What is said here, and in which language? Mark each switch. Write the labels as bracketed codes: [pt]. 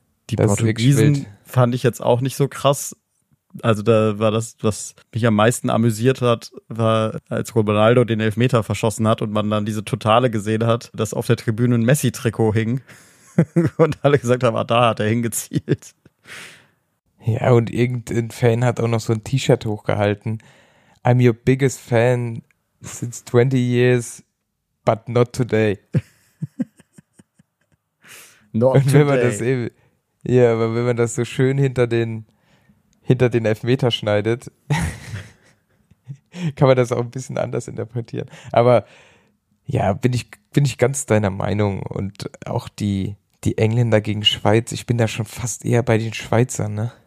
[de] Die Portugiesen fand ich jetzt auch nicht so krass. Also da war das, was mich am meisten amüsiert hat, war, als Ronaldo den Elfmeter verschossen hat und man dann diese Totale gesehen hat, dass auf der Tribüne ein Messi-Trikot hing. Und alle gesagt haben, ah, da hat er hingezielt. Ja, und irgendein Fan hat auch noch so ein T-Shirt hochgehalten. [en] I'm your biggest fan since 20 years, but not today. Not today. [de] Wenn man das eben, ja, aber wenn man das so schön hinter den Elfmeter schneidet, kann man das auch ein bisschen anders interpretieren. Aber ja, bin ich ganz deiner Meinung und auch die Engländer gegen Schweiz, ich bin da schon fast eher bei den Schweizern, ne?